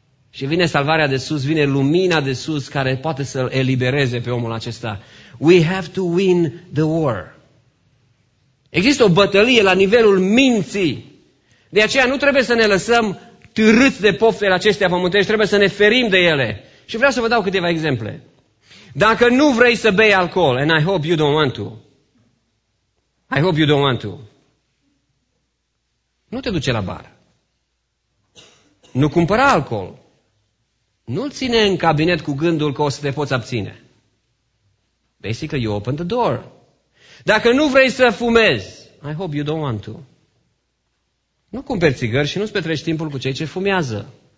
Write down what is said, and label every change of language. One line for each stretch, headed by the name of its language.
Romanian: Și vine salvarea de sus, vine lumina de sus care poate să-l elibereze pe omul acesta.
English: We have to win the war.
Romanian: Există o bătălie la nivelul minții. De aceea nu trebuie să ne lăsăm târâți de poftele acestea pământești, trebuie să ne ferim de ele. Și vreau să vă dau câteva exemple. Dacă nu vrei să bei alcool,
English: and I hope you don't want to,
Romanian: I hope you don't want to, nu te duce la bar. Nu cumpăra alcool. Nu-l ține în cabinet cu gândul că o să te poți abține.
English: Basically, you open the door.
Romanian: Dacă nu vrei să fumezi,
English: I hope you don't want to,
Romanian: nu cumperi țigări și nu-ți petreci timpul cu cei ce fumează.